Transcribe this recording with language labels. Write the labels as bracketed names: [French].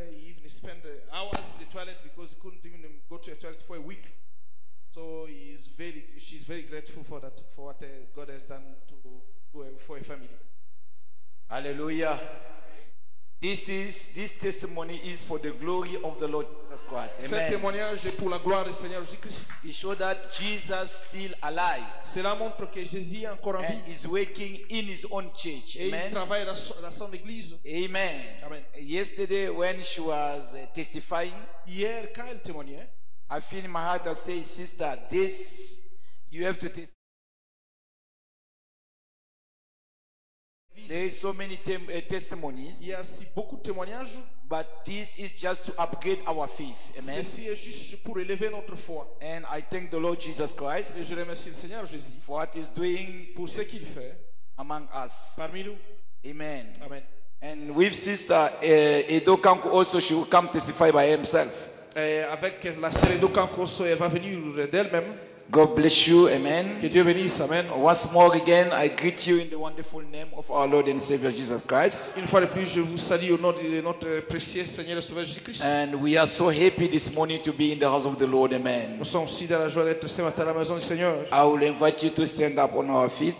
[English] He even spent hours in the toilet because he couldn't even go to the toilet for a week. So she's very grateful for that, for what God has done for a family. Hallelujah. This testimony is for the glory of the Lord Jesus Christ. Amen. [French] Cet témoignage est pour la gloire du Seigneur Jésus-Christ. [English] It shows that Jesus still alive. [French] Cela montre que Jésus est encore en vie. [English] And is working in his own church. [French] Et amen. Il travaille dans son église. Amen. Amen. [English] Yesterday when she was testifying, [French] hier quand elle témoignait, [English] I feel in my heart to say, sister, this you have to testify. There is so many testimonies. Yes, [French] beaucoup de témoignages. [English] But this is just to upgrade our faith. Amen. [French] Ceci est juste pour élever notre foi. [English] And I thank the Lord Jesus Christ. [French] Et je remercie le Seigneur Jésus. [English] For what he's doing. [French] Pour ce qu'il fait. [English] Among us. [French] Parmi nous. Amen. Amen. [English] And with sister Edo Kanku also, she will come testify by herself. [French] Avec la sœur Edo Kanku [English] also, [French] elle va venir d'elle-même. [English] God bless you. Amen. [French] Que Dieu bénisse. Amen. [English] Once more again, I greet you in the wonderful name of our Lord and Savior Jesus Christ. [French] Une fois de plus, je vous salue au nom de notre précieux Seigneur et Sauveur Jésus-Christ. [English] And we are so happy this morning to be in the house of the Lord. Amen. [French] Nous sommes aussi dans la joie d'être ce matin à la maison du Seigneur. [English] I will invite you to stand up on our feet.